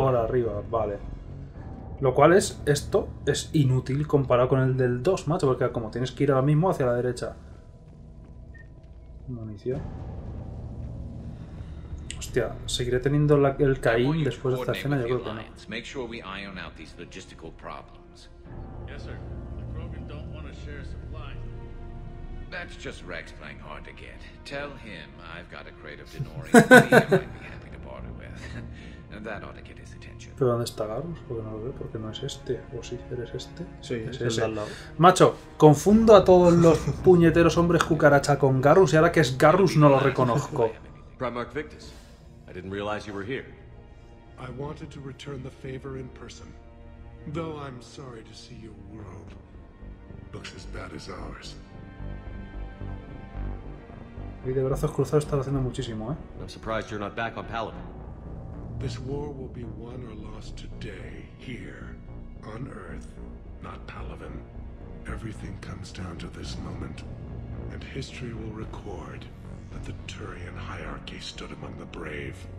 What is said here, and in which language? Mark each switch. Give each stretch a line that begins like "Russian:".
Spanish: Por arriba, vale. Lo cual es, esto es inútil comparado con el del 2, macho, porque como tienes que ir ahora mismo hacia la derecha. Munición. Hostia, seguiré teniendo la, el Caín después de esta escena, yo creo que no.
English: Make sure we iron out these logistical problems. Yes, sir. The Krogan don't want to share supply. That's just Rex playing hard to get. Tell him I've got a crate of Denori that he might be happy to barter with. That ought to get his attention.
Spanish: ¿Pero dónde está Garrus? Porque no lo veo, porque no es este. O sí, eres este. Sí, es el al lado. Macho, confundo a todos los puñeteros hombres cucaracha con Garrus y ahora que es Garrus no lo reconozco.
English: Primarch Victus, I didn't realize you were here. I wanted to return the favor in person. Though I'm sorry to see your world looks as bad as ours.
Spanish: Y de brazos cruzados está haciendo muchísimo, ¿eh?
English: I'm surprised you're not back on Paladin. This war will be won or lost today, here, on Earth, not Palavin. Everything comes down to this moment, and history will record that the Turian hierarchy stood among the brave.